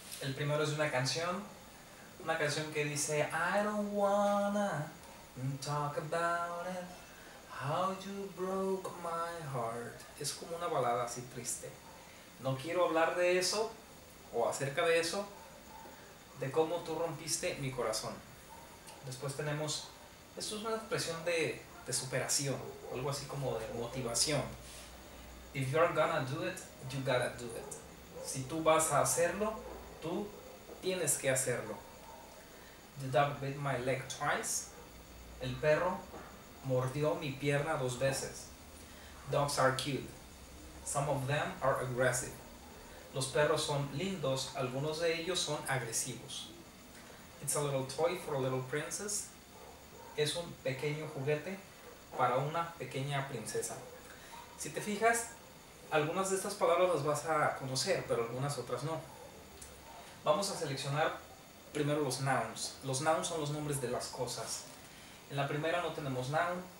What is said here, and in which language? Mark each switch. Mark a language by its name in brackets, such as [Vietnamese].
[Spanish] El primero es una canción que dice [English] I don't wanna talk about it, how you broke my heart. [Spanish] Es como una balada así triste. No quiero hablar de eso o acerca de eso, de cómo tú rompiste mi corazón. Después tenemos, esto es una expresión de superación, algo así como de motivación. [English] If you're gonna do it, you gotta do it. [Spanish] Si tú vas a hacerlo, tú tienes que hacerlo. [English] The dog bit my leg twice. [Spanish] El perro mordió mi pierna dos veces. [English] Dogs are cute. Some of them are aggressive. [Spanish] Los perros son lindos. Algunos de ellos son agresivos. [English] It's a little toy for a little princess. [Spanish] Es un pequeño juguete para una pequeña princesa. Si te fijas, algunas de estas palabras las vas a conocer, pero algunas otras no. Vamos a seleccionar primero los nouns. Los nouns son los nombres de las cosas. En la primera no tenemos noun,